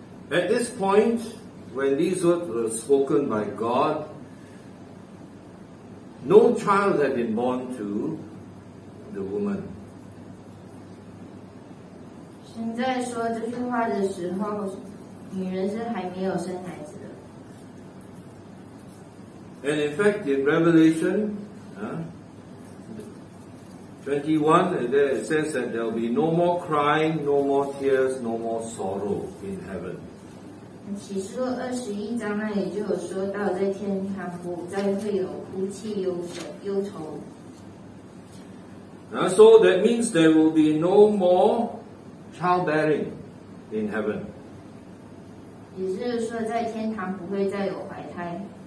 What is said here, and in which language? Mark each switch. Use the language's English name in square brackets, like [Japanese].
[English] At this point, when these words were spoken by God, no child had been born to the woman. [Chinese] 神在说这句话的时候，女人是还没有生孩子。 [English] And in fact, in Revelation 21, it says that there will be no more crying, no more tears, no more sorrow in heaven. [Chinese] 启示录二十一章那里就有说到，在天堂不再会有哭泣、忧愁。 [English] Now, so that means there will be no more childbearing in heaven. [Chinese] 也就是说，在天堂不会再有怀胎。